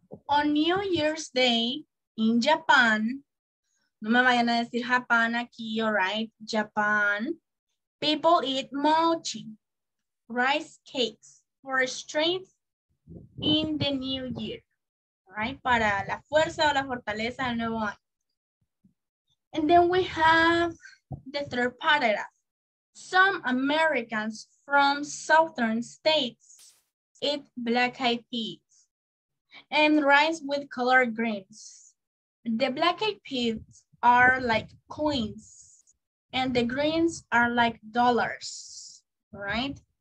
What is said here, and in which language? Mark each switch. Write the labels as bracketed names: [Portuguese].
[English] On New Year's Day in Japan, [Spanish] no me vayan a decir Japan aquí, [English] all right? Japan. People eat mochi, rice cakes, for strength in the new year. All right? [Spanish] Para la fuerza o la fortaleza del nuevo año. [English] And then we have the third paragraph. Some Americans from southern states eat black-eyed peas and rice with colored greens. The black-eyed peas are like coins and the greens are like dollars, right?